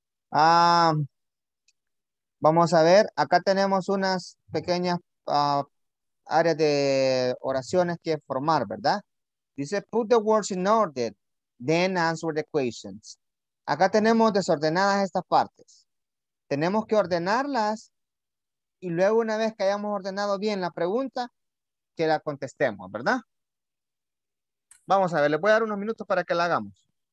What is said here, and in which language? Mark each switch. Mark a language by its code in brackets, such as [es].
[es] Vamos a ver, acá tenemos unas pequeñas áreas de oraciones que formar, ¿verdad? [en] Dice, put the words in order, then answer the questions. [es] Acá tenemos desordenadas estas partes. Tenemos que ordenarlas y luego una vez que hayamos ordenado bien la pregunta, que la contestemos, ¿verdad? Vamos a ver, les voy a dar unos minutos para que la hagamos.